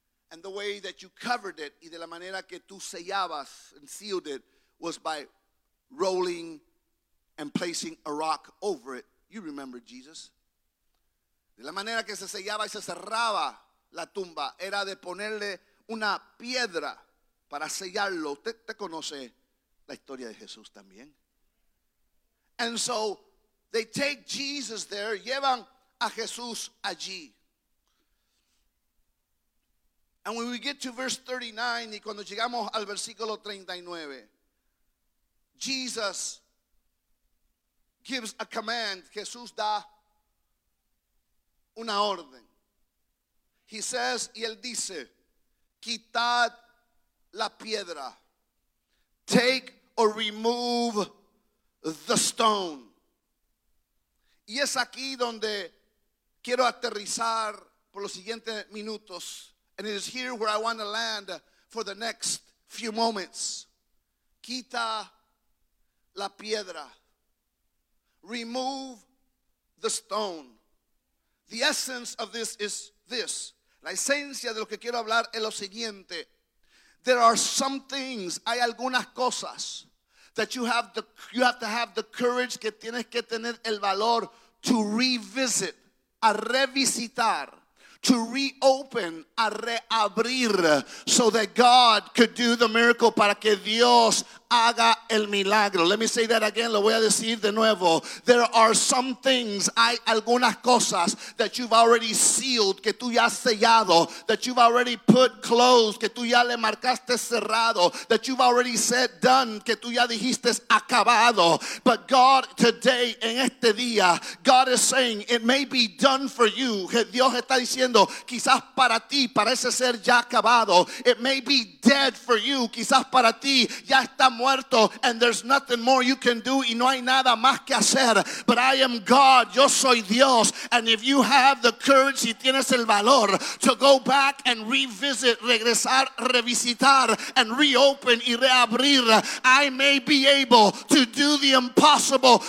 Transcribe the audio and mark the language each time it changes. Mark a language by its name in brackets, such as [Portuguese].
[English] And the way that you covered it, [Spanish] y de la manera que tú sellabas [English] and sealed it, was by rolling and placing a rock over it. You remember Jesus. [Spanish] De la manera que se sellaba y se cerraba la tumba, era de ponerle una piedra para sellarlo. Usted conoce la historia de Jesús también. [English] And so they take Jesus there, [Spanish] llevan a Jesús allí. [English] And when we get to verse 39, [Spanish] y cuando llegamos al versículo 39, [English] Jesus gives a command. [Spanish] Jesús da una orden. [English] He says, [Spanish] y él dice, quitad la piedra. [English] Take or remove the stone. [Spanish] Y es aquí donde quiero aterrizar por los siguientes minutos. [English] And it is here where I want to land for the next few moments. [Spanish] Quita la piedra. [English] Remove the stone. The essence of this is this. [Spanish] La esencia de lo que quiero hablar es lo siguiente. [English] There are some things, [Spanish] hay algunas cosas, [English] that you have to have the courage, [Spanish] que tienes que tener el valor [English] to revisit, [Spanish] a revisitar, [English] to reopen, [Spanish] a reabrir, [English] so that God could do the miracle, [Spanish] para que Dios haga el milagro. [English] Let me say that again, [Spanish] lo voy a decir de nuevo. [English] There are some things, [Spanish] hay algunas cosas [English] that you've already sealed, [Spanish] que tú ya has sellado, [English] that you've already put closed, [Spanish] que tú ya le marcaste cerrado, [English] that you've already said done, [Spanish] que tú ya dijiste acabado. [English] But God today, [Spanish] en este día, [English] God is saying it may be done for you. [Spanish] Dios está diciendo, quizás para ti parece ser ya acabado. [English] It may be dead for you. [Spanish] Quizás para ti ya está muerto, [English] and there's nothing more you can do, [Spanish] y no hay nada más que hacer. [English] But I am God, [Spanish] yo soy Dios, [English] and if you have the courage, [Spanish] si tienes el valor, [English] to go back and revisit, [Spanish] regresar, revisitar, [English] and reopen [Spanish] y reabrir, [English] I may be able to do the impossible.